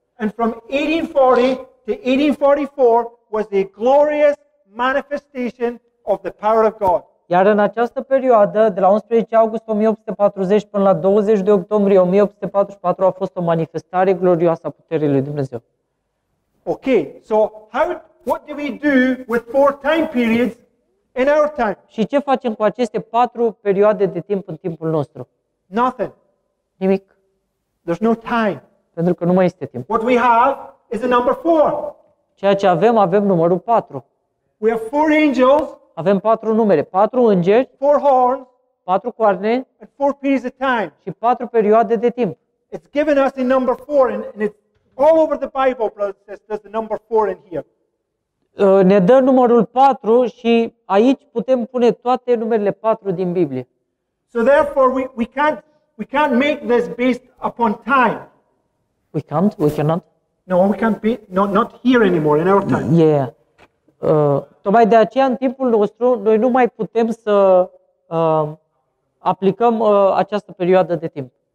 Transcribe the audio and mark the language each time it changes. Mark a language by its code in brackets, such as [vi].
[en] And from 1840 to 1844 was a glorious manifestation of the power of God. [ro] Iar în această perioadă, de la 11 august 1840 până la 20 de octombrie 1844, a fost o manifestare glorioasă a puterii lui Dumnezeu. [en] Okay, so what do we do with four time periods in our time? [ro] Și ce facem cu aceste patru perioade de timp în timpul nostru? [en] Nothing. [ro] Nimic. [en] There's no time. [ro] Pentru că nu mai este timp. [en] What we have is a number four. [ro] Ceea ce avem, avem numărul 4. [en] We have four angels. [ro] Avem patru numere, patru îngeri, [en] four horns, [ro] patru coarne [en] and four periods of time. [ro] Și patru perioade de timp. [en] It's given us in number four and it's all over the Bible, brothers and sisters, the number four in here. [ro] Ne dă numărul 4 și aici putem pune toate numerele 4 din Biblie. [en] So therefore we can't make this based upon time. We can't, we cannot. No, we can't be not here anymore in our time. Yeah. [ro] Tocmai de aceea în timpul nostru noi nu mai putem să aplicăm această perioadă de timp.